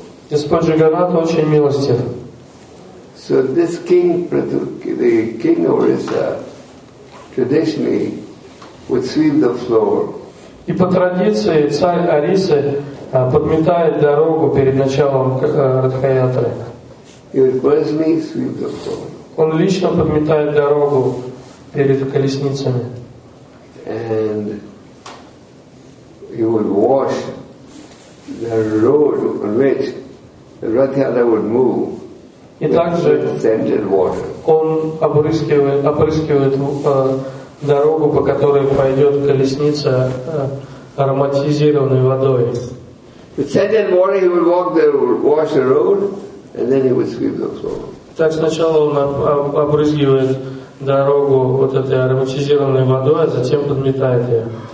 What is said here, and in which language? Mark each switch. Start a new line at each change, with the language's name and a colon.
Russian: Господь Джаганнат очень милостив.
English: So this king, the king of Orissa, traditionally would sweep the floor.
Russian: И по традиции царь Орисы подметает дорогу перед началом Радхаятры.
English: He would personally sweep the floor.
Russian: Он лично подметает дорогу перед колесницами.
English: And he would wash the road on which the Rath Yatra would move.
Russian: И также
English: scented water.
Russian: Он опрыскивает дорогу, по которой пойдет колесница, ароматизированной водой.
English: With scented water, he would walk there, wash the road, and then he would sweep the floor.
Russian: Так сначала он опрыскивает дорогу вот этой ароматизированной водой, а затем подметает ее.